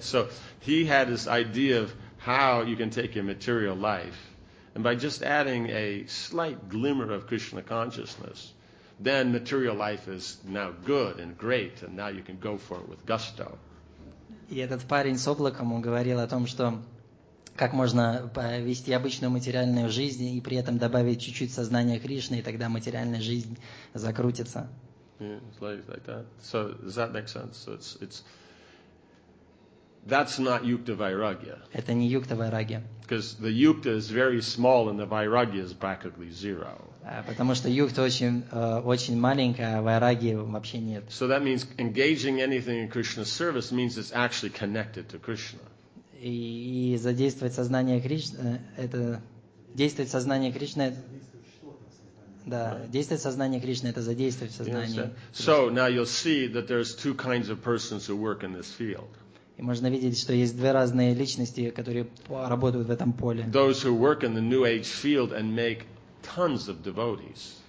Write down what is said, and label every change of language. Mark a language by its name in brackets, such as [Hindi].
[English] So he had this idea of how you can take your material life and by just adding a slight glimmer of Krishna consciousness, then material life is now good and great and now you can go for it with gusto. [Russian] И этот парень с облаком, он говорил о том, что как можно вести обычную материальную жизнь и при этом добавить чуть-чуть сознания Кришны, и тогда материальная жизнь закрутится. [English] Yeah, like that. So does that make sense? So it's that's not yukta vairagya. [Russian] Это не yukta vairagya. [English] Because the yukta is very small and the vairagya is practically zero. [Russian] Потому что yukta очень маленькая, а vairagya вообще нет. [English] So that means engaging anything in Krishna's service means it's actually connected to Krishna. [Russian] И задействовать сознание Кришны, это действовать сознание Кришны. Да, действовать сознание Кришны это задействовать сознание. [English] So now you'll see that there's two kinds of persons who work in this field. [Russian] И можно видеть, что есть две разные личности, которые работают в этом поле. [English] Those who work in the New Age field and make tons of devotees.